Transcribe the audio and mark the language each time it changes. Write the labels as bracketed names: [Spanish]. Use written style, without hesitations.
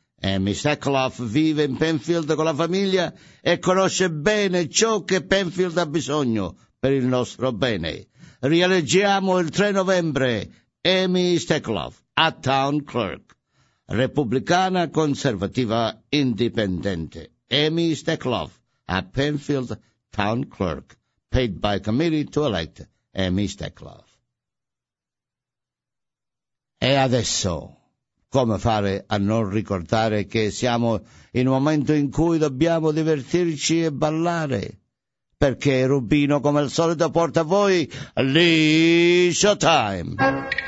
[Italian] Amy Steklov vive in Penfield con la famiglia e conosce bene ciò che Penfield ha bisogno per il nostro bene. Rieleggiamo il 3 novembre Amy Steklov a Town Clerk. Repubblicana conservativa indipendente. [English] Amy Steklov, a Penfield Town Clerk, paid by committee to elect Amy Steklov. [Italian] E adesso, come fare a non ricordare che siamo in un momento in cui dobbiamo divertirci e ballare? Perché Rubino, come al solito, porta a voi Liscio Time.